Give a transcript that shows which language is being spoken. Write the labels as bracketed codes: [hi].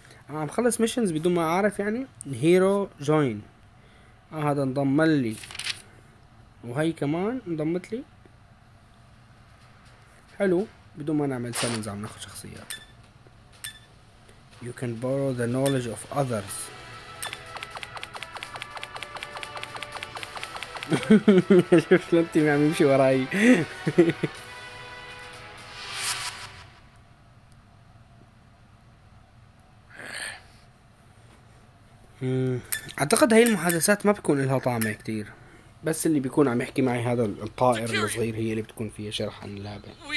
[ar] عم خلص ميشنز بدون ما اعرف يعني. هيرو جوين. هذا انضم لي وهي كمان انضمت لي. حلو بدون ما نعمل سامنز عم ناخذ شخصيات. [en] You can borrow the knowledge of others. [ar] شوف شلون تيمي عم يمشي وراي. اعتقد هاي المحادثات ما بيكون لها طعمة كتير، بس اللي بيكون عم يحكي معي هذا الطائر الصغير هي اللي بتكون فيها شرح عن اللعبة.